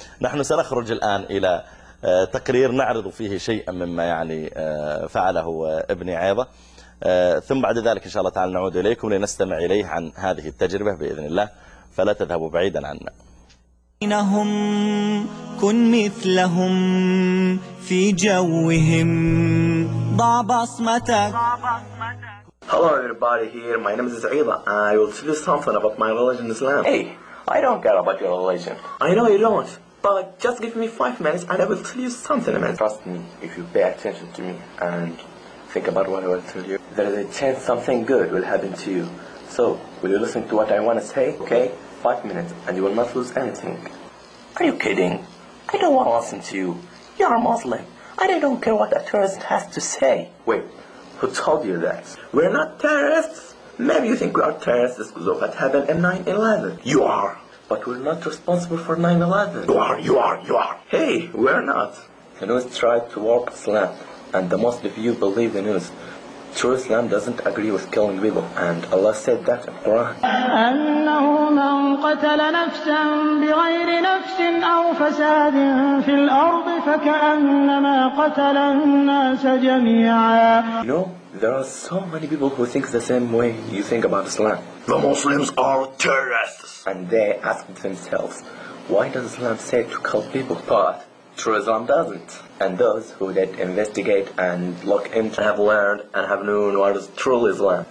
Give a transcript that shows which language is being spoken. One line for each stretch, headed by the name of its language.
Arabic: نحن سنخرج الآن إلى تقرير نعرض فيه شيئا مما يعني فعله ابني عيضة، ثم بعد ذلك إن شاء الله تعالى نعود إليكم لنستمع إليه عن هذه التجربة بإذن الله، فلا تذهبوا بعيدا عنا. إنهم كن مثلهم في جوهم ضع بصمتك.
English: Hello everybody here, my name is Aida. I will tell you something about my religion Islam. Hey, I don't care about your religion. I know you don't, but just give me 5 minutes and I will tell you something about it. Trust me, if you pay attention to me and think about what I will tell you, there is a chance something good will happen to you. So, will you listen to what I want to say, okay? 5 minutes and you will not lose anything. Are you kidding? I don't want to listen to you. You are Muslim and I don't care what a tourist has to say. Wait. Who told you that? We're not terrorists. Maybe you think we are terrorists because of what happened in 9/11. You are. But we're not responsible for 9/11. You are. Hey, we're not. The news tried to work Islam, and the most of you believe the news. True Islam doesn't agree with killing people, and Allah said that in Quran.
Arabic: أنه من قتل نفسا بغير نفس أو فساد في الأرض فكأنما قتل الناس جميعا.
English: You know, there are so many people who think the same way you think about Islam. The Muslims are terrorists. And they ask themselves, why does Islam say to kill people? But True Islam doesn't. And those who did investigate and look into have learned and have known what is true Islam.